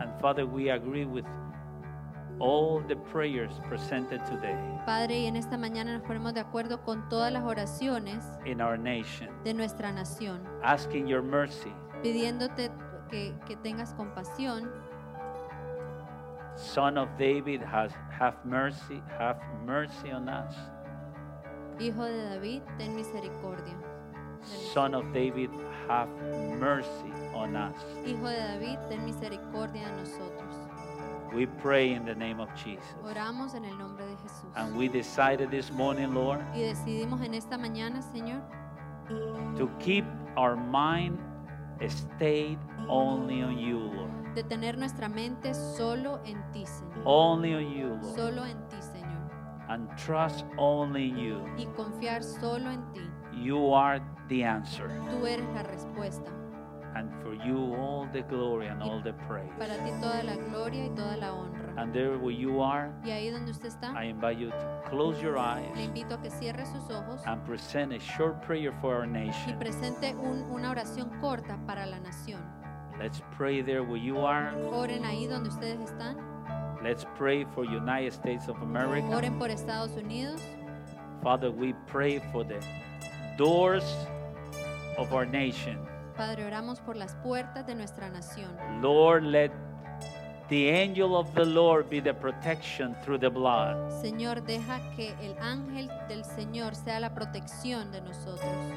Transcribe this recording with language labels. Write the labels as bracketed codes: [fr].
[en] And Father, we agree with all the prayers presented today. [es] Padre, y en esta mañana nos ponemos de acuerdo con todas las oraciones [en] in our nation, [es] de nuestra nación, [en] asking your mercy, [es] pidiéndote que tengas compasión. [en] Son of David, have mercy on us. [es] Hijo de David, ten misericordia. [en] Son of David, have mercy on us. [es] Hijo de David, ten misericordia a nosotros. [en] We pray in the name of Jesus. [es] Oramos en el nombre de Jesús. [en] And we decided this morning, Lord, [es] y decidimos en esta mañana, Señor, [en] to keep our mind stayed only on you, Lord. [es] De tener nuestra mente solo en ti, Señor. [en] Only on you, Lord. [es] Solo en ti, Señor. [en] And trust only in you. [es] Y confiar solo en ti. [en] You are the answer. [es] Tú eres la respuesta. [en] And for you all the glory and all the praise. [es] Para ti toda la gloria y toda la honra. [en] And there where you are, [es] y ahí donde usted está, [en] I invite you to close your eyes. [es] Le invito a que cierre sus ojos. [en] And present a short prayer for our nation. [es] Y presente una oración corta para la nación. [en] Let's pray there where you are. [es] Oren ahí donde ustedes están. [en] Let's pray for United States of America. [es] Oren por Estados Unidos. [en] Father, we pray for the doors of our nation. [es] Padre, oramos por las puertas de nuestra nación. [en] Lord, let the angel of the Lord be the protection through the blood. [es] Señor, deja que el ángel del Señor sea la protección de nosotros.